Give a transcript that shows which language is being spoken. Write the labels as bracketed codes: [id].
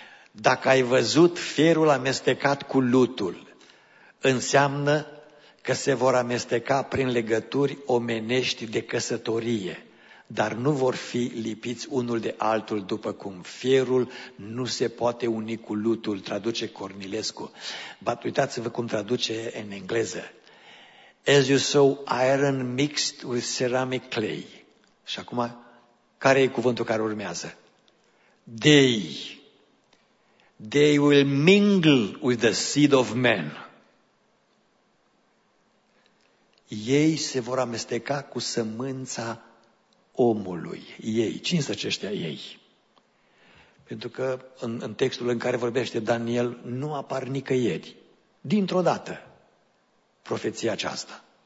[ro] Dacă ai văzut fierul amestecat cu lutul, înseamnă că se vor amesteca prin legături omenești de căsătorie, dar nu vor fi lipiți unul de altul, după cum fierul nu se poate uni cu lutul, traduce Cornilescu. But uitați-vă cum traduce în engleză. [en] As you saw iron mixed with ceramic clay. [ro] Și acum, care e cuvântul care urmează? [en] They will mingle with the seed of man. [ro] Ei se vor amesteca cu sămânța omului. Ei, cine sunt aceștia ei? Pentru că în textul în care vorbește Daniel nu apar nicăieri, dintr-o dată, profeția aceasta.